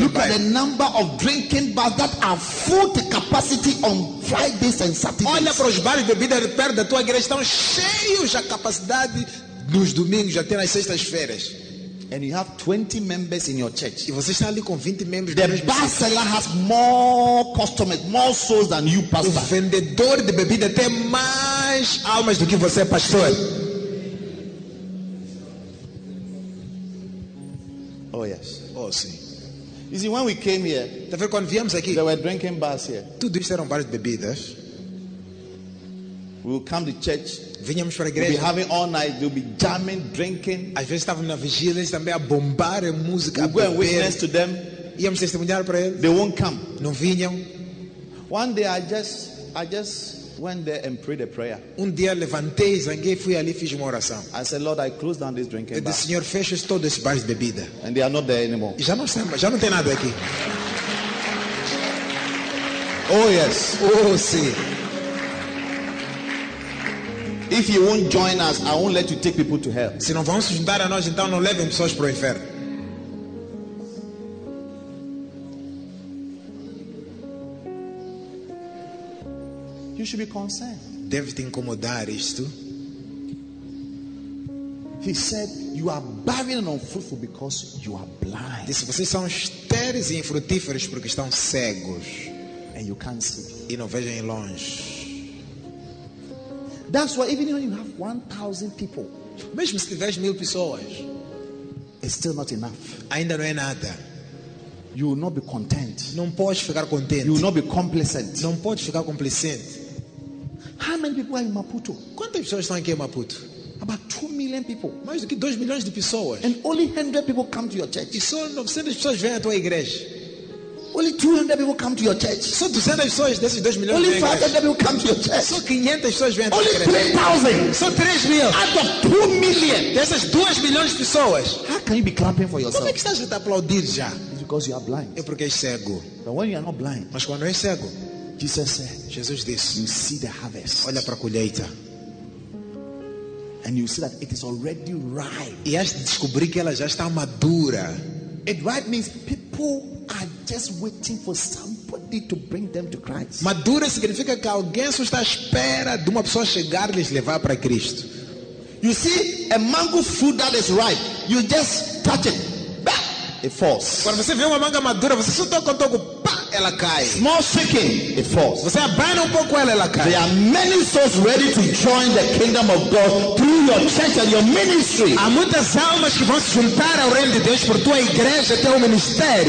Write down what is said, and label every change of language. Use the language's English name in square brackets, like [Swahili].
[English] Look at the number of drinking bars that are full to capacity on Fridays and Saturdays. [Portuguese] Olha para os bares de bebida perto da tua igreja, estão cheios à capacidade nos domingos até nas sextas-feiras. [English] And you have 20 members in your church. [Portuguese] E você está ali com 20 membros. [English] The bar seller has more customers, more souls than you, pastor. [Portuguese] O vendedor de bebida tem mais almas do que você, pastor. [English] Oh yes. [Portuguese] Oh sim. [English] You see, when we came here, [Portuguese] tá vendo, quando viemos aqui, [English] there were drinking bars here. [Portuguese] Tudo isso eram bares de bebidas. [English] We will come to church. [Portuguese] Vinhamos para a igreja. [English] We'll be having all night. We'll be jamming, drinking. [Portuguese] Às vezes estávamos na vigília também a bombar a música. [English] We'll go and witness to them. [Portuguese] Íamos testemunhar para eles. [English] They won't come. [Portuguese] Não vinham. [English] One day I just went there and prayed a prayer. [Portuguese] Um dia levantei, zanguei, fui ali, fiz uma oração. [English] I said, Lord, I close down this drinking bar. [Portuguese] E o Senhor fecha todos esses bares de bebida. [English] And they are not there anymore. [Portuguese] Já não tem nada aqui. [English] Oh yes. [Portuguese] Oh sim. [English] If you won't join us, I won't let you take people to hell. [Portuguese] Se não vamos juntar a nós, então não levem pessoas para o inferno. [English] You should be concerned. [Portuguese] Deve te incomodar isto. [English] He said, "You are barren and unfruitful because you are blind." [Portuguese] Disse, vocês são estéreis e infrutíferos porque estão cegos. [English] And you can't see. [Portuguese] E não vejam em longe. [English] That's why even when you have 1,000 people, [Portuguese] mesmo se tiveres 1,000 pessoas, [English] it's still not enough. [Portuguese] Ainda não é nada. [English] You will not be content. [Portuguese] Não podes ficar contente. [English] You will not be complacent. [Portuguese] Não podes ficar complacente. [English] How many people are in Maputo? [Portuguese] Quantas pessoas estão aqui em Maputo? [English] About 2 million people. [Portuguese] Mais do que 2 milhões de pessoas. [English] And only 100 people come to your church. [Portuguese] E só 900 pessoas vêm à tua igreja. [English] Only 200 people come to your church. [Portuguese] Só 200 pessoas desses 2 milhões. [English] Only 500 people come to your church. [Portuguese] Só 500 pessoas vêm. [English] Only 3,000. [Portuguese] Só 3 mil. [English] Out of 2 million. [Portuguese] Dessas 2 milhões de pessoas. [English] How can you be clapping for yourself? [Portuguese] Como é que estás a te aplaudir já? [English] It's because you are blind. [Portuguese] É porque és cego. [English] But when you are not blind. [Portuguese] Mas quando és cego. [English] Jesus said. [Portuguese] Jesus disse. [English] You see the harvest. [Portuguese] Olha para a colheita. [English] And you see that it is already ripe. [Portuguese] E has descobrir que ela já está madura. [English] It ripe means people are just waiting for somebody to bring them to Christ. [Portuguese] Madura significa que alguém só está à espera de uma pessoa chegar e lhes levar para Cristo. [English] You see a mango fruit that is ripe, you just touch it, bam, it falls. [Portuguese] Quando você vê uma manga madura, você só toca um toco, pá, ela cai. [English] Small shaking, it falls. [Portuguese] Você abana um pouco, ela cai. [English] There are many souls ready to join the kingdom of God through your church and your ministry. [Portuguese] Há muitas almas que vão se juntar ao reino de Deus por tua igreja e teu ministério.